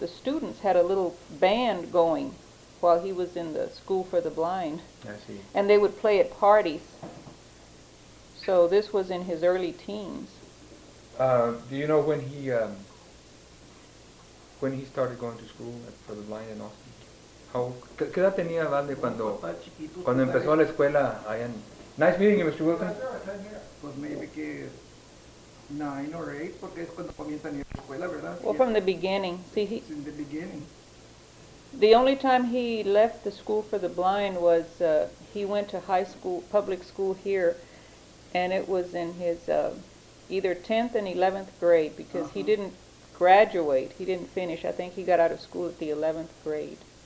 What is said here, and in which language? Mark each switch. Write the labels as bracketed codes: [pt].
[en] The students had a little band going while he was in the School for the Blind. I see. And they would play at parties. So this was in his early teens. Do you know when he started going to school for the blind in Austin? [es] ¿Qué edad tenía Valde cuando empezó la escuela allá? [en] Nice meeting you, Mr. Wilkins. [es] Pues [en] maybe [es] que 9 or 8, porque es cuando comienzan a ir a la escuela, ¿verdad? [en] Well, from the beginning. See, it's in the beginning. The only time he left the school for the blind was he went to high school, public school here, and it was in his... either 10th and 11th grade, because uh-huh. He didn't graduate, he didn't finish. I think he got out of school at the 11th grade.